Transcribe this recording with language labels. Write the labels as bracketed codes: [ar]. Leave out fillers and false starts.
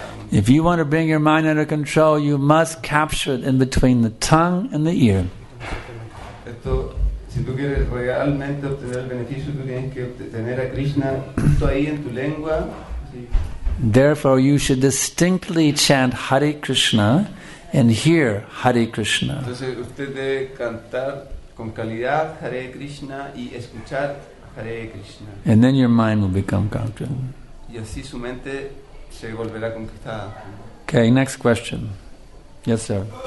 [en] If you want to bring your mind under control, you must capture it in between the tongue and the ear. [es] Si tú quieres realmente obtener el beneficio, tú tienes que tener a Krishna justo ahí en tu lengua. [en] Therefore, you should distinctly chant Hare Krishna and hear Hare Krishna. [es] Entonces, usted debe cantar con calidad Hare Krishna y escuchar Hare Krishna. [en] And then your mind will become conquered. [es] Y así su mente se volverá conquistada. [en] Okay, next question. Yes, sir.